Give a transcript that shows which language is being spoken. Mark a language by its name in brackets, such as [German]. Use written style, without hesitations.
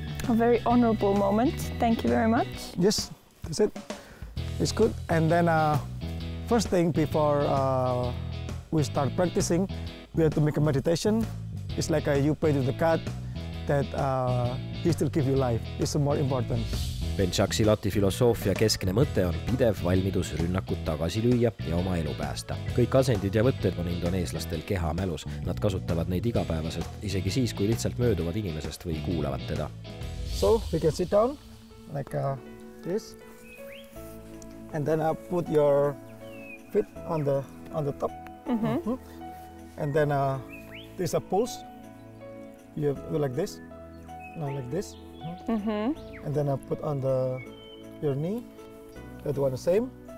[English] A very honorable moment, thank you very much. Yes, that's it, it's good. And then First thing before we start practicing, we have to make a meditation. It's like you pray to the God that he still give you life. It's more important. [Estonian] Pencak Silati filosoofia keskne mõte on pidev valmidus rünnakut tagasi lüüa ja oma elu päästa. Kõik asendid ja võtted on indoneeslastel keha mälus. Nad kasutavad neid igapäevaselt, isegi siis, kui lihtsalt mööduvad inimesest või kuulevad teda. [English] So, we can sit down, like this. And then I put your feet on the top. Mm-hmm. And then this a pulse. You do like this. Now like this. Mm-hmm. And then I put on your knee. That one the same.